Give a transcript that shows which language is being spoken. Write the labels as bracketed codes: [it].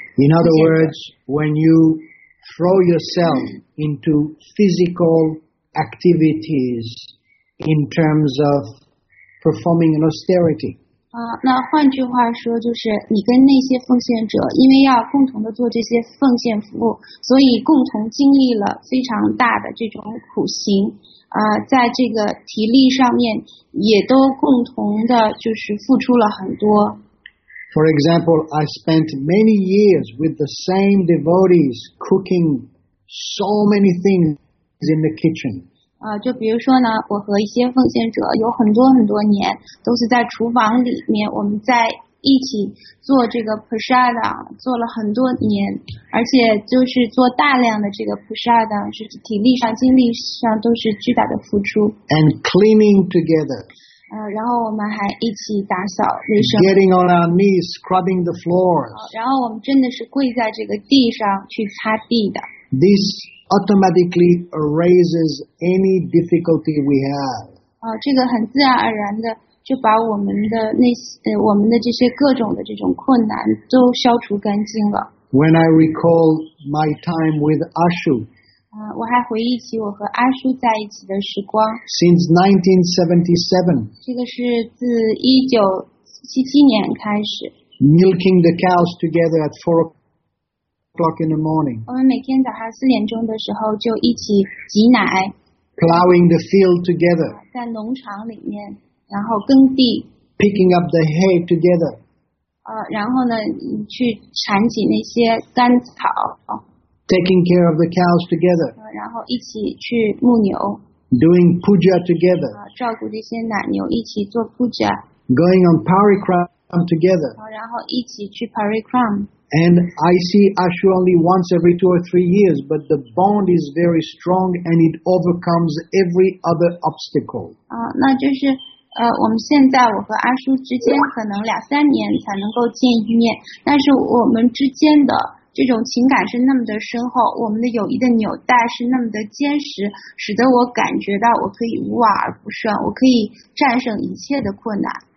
[en] In other words, when you throw yourself into physical activities in terms of performing an austerity. [zh] 那换句话说，就是你跟那些奉献者，因为要共同的做这些奉献服务，所以共同经历了非常大的这种苦行，在这个体力上面也都共同的就是付出了很多。 [en] For example, I spent many years with the same devotees cooking so many things in the kitchen. [zh] 就比如说呢，我和一些奉献者有很多很多年都是在厨房里面，我们在一起做这个 prasada 做了很多年，而且就是做大量的这个 prasada， 就是体力上精力上都是巨大的付出。 [en] And cleaning together. [zh] 然后我们还一起打扫卫生。 [en] Getting on our knees, scrubbing the floors. [zh] 然后我们真的是跪在这个地上去擦地的。 [en] This automatically erases any difficulty we have. [zh] 这个很自然而然的就把我们的那些我们的这些各种的这种困难都消除干净了。 [en] When I recall my time with Ashu, [zh] 我还回忆起我和阿叔在一起的时光。 [en] Since 1977, [zh] 这个是自1977年开始。 [en] Milking the cows together at 4 o'clock in the morning. [zh] 我们每天早上四点钟的时候就一起挤奶。 [en] Plowing the field together. [zh] 在农场里面，然后耕地。 [en] Picking up the hay together. [zh] 然后呢，去铲起那些干草。 [en] Taking care of the cows together. [zh] 然后一起去牧牛。 [en] Doing puja together. [zh] 照顾这些奶牛，一起做 puja。 [en] Going on parikram together. [zh] 然后一起去 parikram。 [en] And I see Ashu only once every 2 or 3 years, but the bond is very strong and it overcomes every other obstacle. [zh] 那就是我们现在我和阿叔之间可能两三年才能够见一面，但是我们之间的这种情感是那么的深厚，我们的友谊的纽带是那么的坚实，使得我感觉到我可以无往而不胜，我可以战胜一切的困难。